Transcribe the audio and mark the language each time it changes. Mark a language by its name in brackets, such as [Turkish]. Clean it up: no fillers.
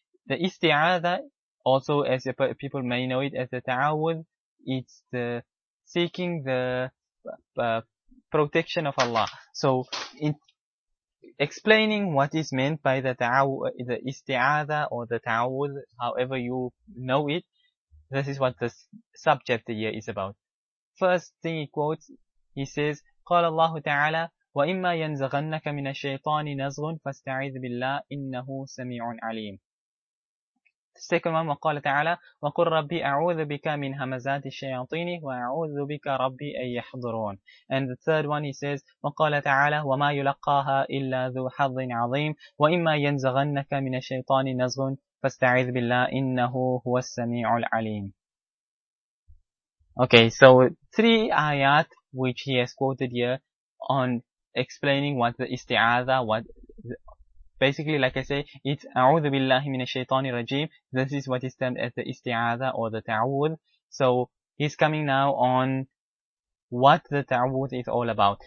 [English] The Isti'adha, also as people may know it as the Ta'awud, it's the seeking the protection of Allah. So in explaining what is meant by the isti'adha or the ta'awud, however you know it, this is what this subject here is about. First thing he quotes, he says, [Arabic] قال الله تعالى وإما ينزغنك من الشيطان نزغ فاستعذ بالله إنه سميع عليم. [English] Second one, [Arabic] وقال تعالى وقل ربي أعوذ بك من همزات الشياطين وأعوذ بك ربي أن يحضرون. [English] And the third one he says, [Arabic] وقال تعالى وما يلقاها إلا ذو حظ عظيم وإما ينزغنك من الشيطان نزغ فاستعذ بالله إنه هو السميع العليم. [English] Okay, so three ayat which he has quoted here on explaining what the isti'adha, what basically, like I say, it's [Arabic] أعوذ بالله من الشيطان الرجيم. [English] This is what is termed as the isti'adha or the ta'awud. So he's coming now on what the ta'awud is all about.